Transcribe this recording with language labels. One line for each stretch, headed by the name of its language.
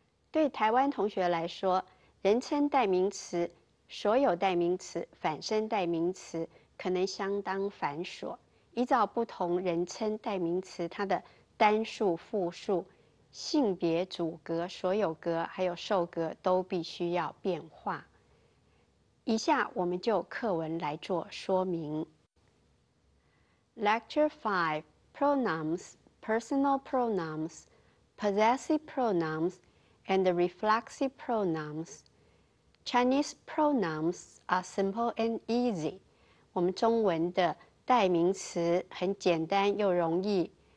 Chinese: 对台湾同学来说，人称代名词、所有代名词、反身代名词可能相当繁琐。依照不同人称代名词它的单数、复数、性别、主格、所有格还有受格都必须要变化。以下我们就课文来做说明。
English: Lecture 5 Pronouns, Personal Pronouns, Possessive Pronouns, and Reflexive Pronouns. Chinese pronouns are simple and easy.
Chinese: 我们中文的代名词很简单又容易。